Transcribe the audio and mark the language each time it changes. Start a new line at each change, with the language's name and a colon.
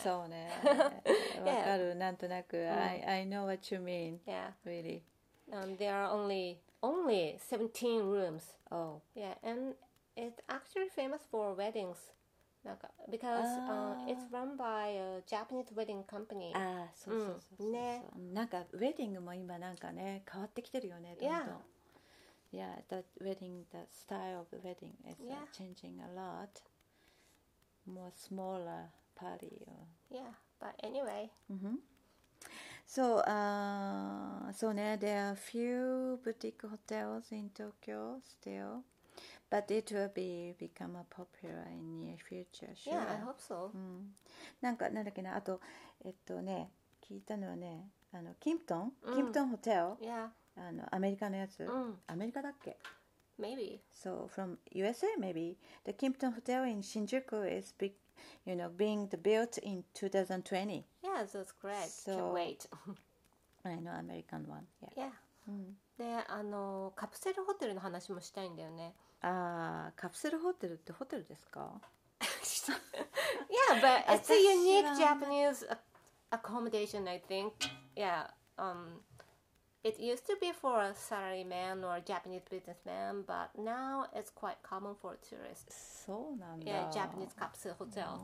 Japanese: そうね。わかる。なんとなく、
English: I know what you mean. Yeah. Really. There are only 17 rooms. Oh. Yeah, and it's actually famous for weddings.
Japanese: なんか
English: because it's run by a Japanese wedding company.
Japanese: ああ、そうそうそうそう。ね。なんかウェディングも今なんかね、変わってきてるよね、どんどん。
English: Yeah, that wedding, the style of the wedding is changing a lot. More smaller party. Yeah, but anyway. Mm-hmm. So, so now there are a few boutique hotels in Tokyo still, but it will become a popular in near future, sure. Yeah, I hope so.
Japanese: Mm. なんかなんだっけな、あと、ね、聞いたのはね、あの、Kimpton? Kimpton Hotel?
English: Yeah.
Japanese: あのアメリカのやつ、うん、アメリカだっけ
English: maybe so from USA maybe the Kimpton Hotel in Shinjuku is big, you know, being built in 2020 yeah that's great so, can't wait I know American one yeah, yeah.、
Japanese: うん、であのカプセルホテルの話もしたいんだよねあカプセルホテルってホテルですか
English: yeah but it's a unique Japanese accommodation I think yeah It used to be for a salaryman or a Japanese businessman, but now it's quite common for tourists.
Japanese: そうなんだ。
English: Yeah, Japanese capsule hotel.